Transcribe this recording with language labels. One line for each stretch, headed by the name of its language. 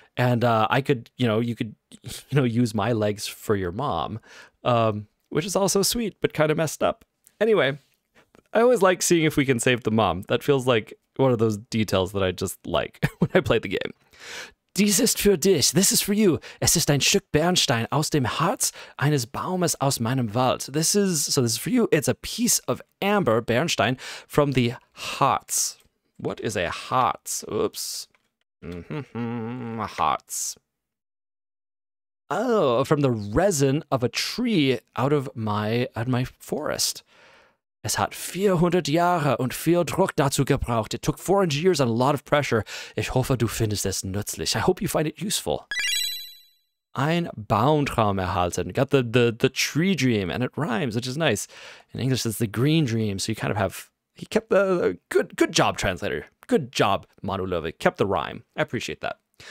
English: And I could, you could use my legs for your mom. Which is also sweet, but kind of messed up. Anyway, I always like seeing if we can save the mom. That feels like one of those details that I just like when I play the game.
German: Dies ist für dich.
English: This is for you.
German: Es ist ein Stück Bernstein aus dem Herz eines Baumes aus meinem Wald.
English: This is for you. It's a piece of amber, Bernstein, from the Harz. What is a Harz? Oops. Harz. Oh, from the resin of a tree out of my forest.
German: Es hat 400 Jahre und viel Druck dazu gebraucht.
English: It took 400 years and a lot of pressure.
German: Ich hoffe, du findest es nützlich.
English: I hope you find it useful.
German: Ein Baumtraum erhalten.
English: Got the tree dream, and it rhymes, which is nice. In English, it's the green dream, so you kind of have... He kept the... Good job, translator. Good job, Manu Love. Kept the rhyme. I appreciate that.